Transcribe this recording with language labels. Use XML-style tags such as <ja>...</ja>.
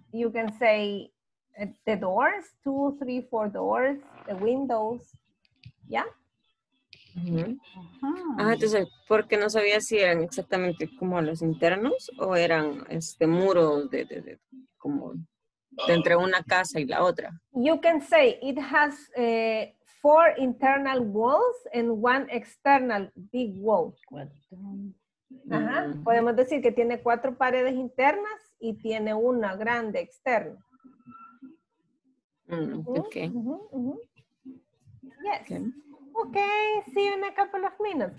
<en>You can say the doors, 2, 3, 4 doors, the windows, ¿ya? Uh-huh.</en> <es>Ah, entonces, porque no sabía si eran exactamente como los internos o eran muros de como de entre una casa y la otra.</es> <en>You can say it has 4 internal walls and 1 external big wall. Uh-huh.</en> <es>Podemos decir que tiene 4 paredes internas y tiene una grande externa.</es> <en>Okay. Uh-huh. Yes. Okay. Okay, see you in a couple of minutes.</en>